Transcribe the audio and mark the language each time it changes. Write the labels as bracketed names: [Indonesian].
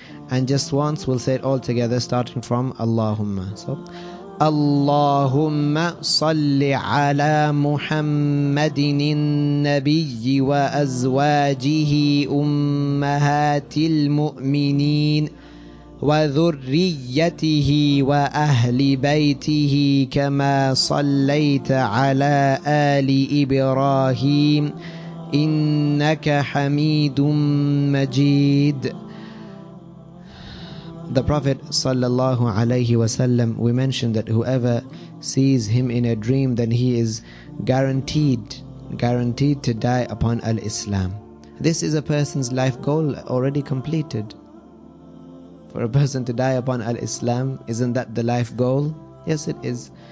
[English] And just once we'll say it all together, starting from Allahumma. [Arabic] So, اللهم صل على محمد النبي وأزواجه أمهات المؤمنين وذريته وأهل بيته كما صليت على آل إبراهيم إنك حميد مجيد. [English] The Prophet sallallahu alayhi wasallam, we mentioned that whoever sees him in a dream, then he is guaranteed to die upon al-Islam. This is a person's life goal already completed. For a person to die upon al-Islam, isn't that the life goal? Yes, it is.